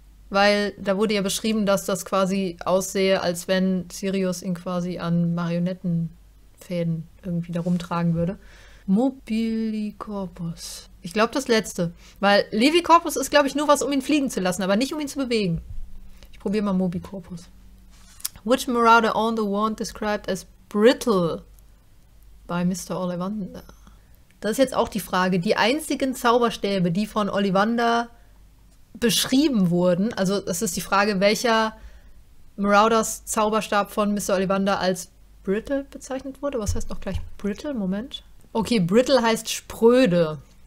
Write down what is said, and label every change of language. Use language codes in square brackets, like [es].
[de] Weil da wurde ja beschrieben, dass das quasi aussehe, als wenn Sirius ihn quasi an Marionettenfäden irgendwie da rumtragen würde. Mobili Corpus. Ich glaube, das letzte. Weil Levi Corpus ist, glaube ich, nur was, um ihn fliegen zu lassen, aber nicht, um ihn zu bewegen. Ich probiere mal Mobi Corpus. [en] Which Marauder on the Wand described as brittle by Mr. [de] Ollivander? Das ist jetzt auch die Frage. Die einzigen Zauberstäbe, die von Ollivander beschrieben wurden, also das ist die Frage, welcher Marauders Zauberstab von Mr. Ollivander als brittle bezeichnet wurde. Was heißt noch gleich brittle? Moment. Okay, brittle heißt spröde.